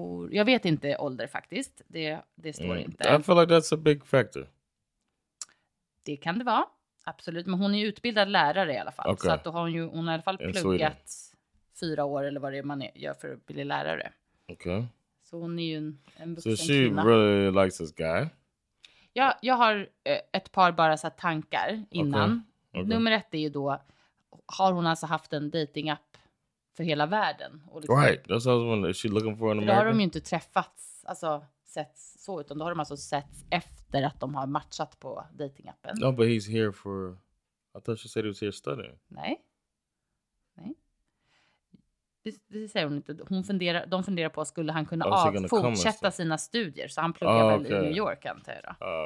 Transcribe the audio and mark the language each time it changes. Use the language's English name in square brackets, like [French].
[Swedish] Jag vet inte ålder faktiskt. Det står inte. [English] I feel like that's a big factor. [Swedish] Det kan det vara, absolut. Men hon är ju utbildad lärare i alla fall. [English] Okay. [Swedish] Så att då har hon har i alla fall pluggat 4 år eller vad det är man gör för att bli lärare. Okej. Okay. Så hon är ju en vuxen kvinna. [English] So she really likes this guy. [Swedish] Jag har ett par bara så tankar innan. [English] Okay. Okay. [Swedish] Nummer 1 är ju då, har hon alltså haft en dating-app för hela världen? Och liksom, [English] right, that's what I was wondering. Is she looking for an American? [Swedish] Då har de ju inte träffats, alltså setts så, utan då har de alltså setts efter att de har matchat på dating-appen. [English] No, but he's here for, I thought she said he was here studying. [Swedish] Nej. Det säger hon inte. De funderar på, skulle han kunna fortsätta sina studier? Så han pluggar väl i New York, antar jag.